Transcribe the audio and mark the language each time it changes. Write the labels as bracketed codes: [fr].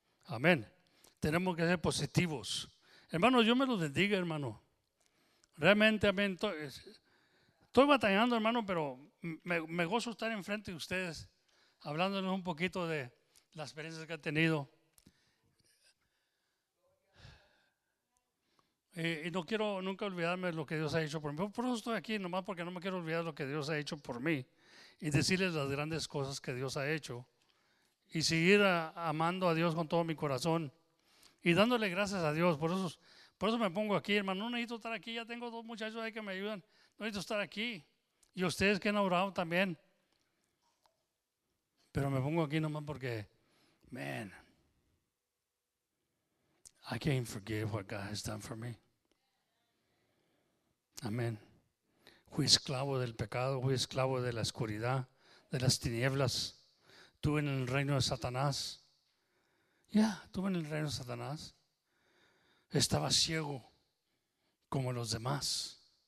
[es] Amén. Tenemos que ser positivos. Hermano, yo me lo bendiga, hermano. Realmente, amén. Estoy batallando, hermano, pero me gozo estar enfrente de ustedes hablándoles un poquito de las experiencias que ha tenido. Y no quiero nunca olvidarme de lo que Dios ha hecho por mí. Por eso estoy aquí, nomás porque no me quiero olvidar lo que Dios ha hecho por mí y decirles las grandes cosas que Dios ha hecho y seguir amando a Dios con todo mi corazón y dándole gracias a Dios. Por eso me pongo aquí, hermano. No necesito estar aquí, ya tengo dos muchachos ahí que me ayudan. No necesito estar aquí. Y ustedes que han orado también. Pero me pongo aquí nomás porque, [en] man, I can't forgive what God has done for me. [es] Amén. Fui esclavo del pecado, fui esclavo de la oscuridad, de las tinieblas. Estuve en el reino de Satanás. Estuve en el reino de Satanás. Estaba ciego como los demás.